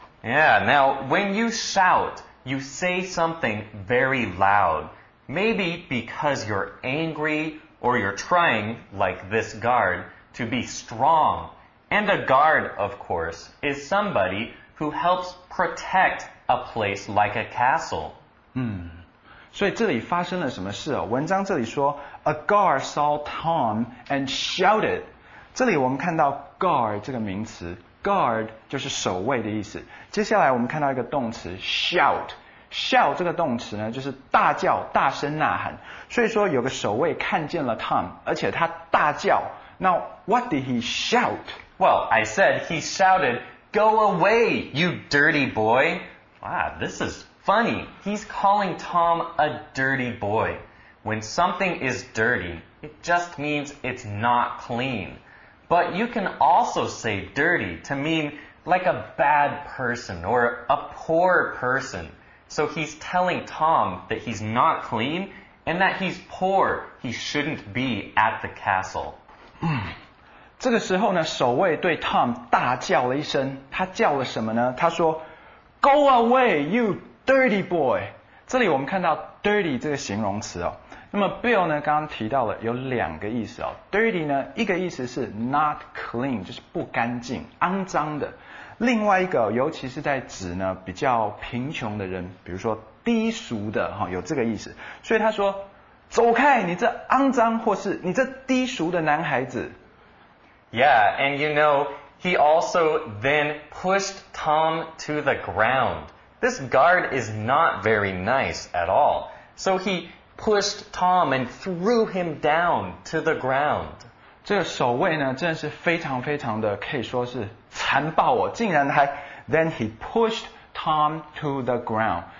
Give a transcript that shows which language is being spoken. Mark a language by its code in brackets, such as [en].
[en] Yeah, now, when you shout, you say something very loud. Maybe because you're angry, or you're trying, like this guard, to be strong. And a guard, of course, is somebody who helps protect a place like a castle. [zh] 所以这里发生了什么事哦？文章这里说 [en] ，A guard saw Tom and shouted。 [zh] 这里我们看到 guard 这个名词 ，guard 就是守卫的意思。接下来我们看到一个动词 shout。shout 这个动词呢，就是大叫、大声呐喊。所以说有个守卫看见了 Tom， 而且他大叫。 [en] Now what did he shout？ Well， I said he shouted， "Go away， you dirty boy！" Wow， this is。 Funny, he's calling Tom a dirty boy. When something is dirty, it just means it's not clean. But you can also say dirty to mean like a bad person or a poor person. So he's telling Tom that he's not clean and that he's poor. He shouldn't be at the castle. [zh] 这个时候呢，守卫对 Tom 大叫了一声，他叫了什么呢？他说 [en] Go away, you dirty boy. [zh] 这里我们看到 dirty 这个形容词哦。那么 Bill 呢，刚刚提到了有两个意思哦。 Dirty 呢，一个意思是 not clean， 就是不干净、肮脏的。另外一个，尤其是在指呢比较贫穷的人，比如说低俗的哈、哦，有这个意思。所以他说，走开，你这肮脏或是你这低俗的男孩子。 [en] Yeah, and you know, he also then pushed Tom to the ground. This guard is not very nice at all. So he pushed Tom and threw him down to the ground. [zh] 这个守卫呢，真的是非常非常的，可以说是残暴哦，竟然还 [en] Then he pushed Tom to the ground.